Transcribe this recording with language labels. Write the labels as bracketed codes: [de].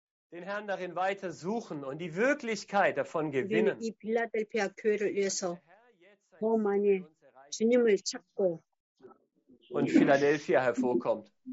[de] den Herrn darin weiter suchen und die Wirklichkeit davon gewinnen. [ko] 이 빌라델피아 교회를 위해서 더 많이 주님을 찾고 [de] und Philadelphia hervorkommt.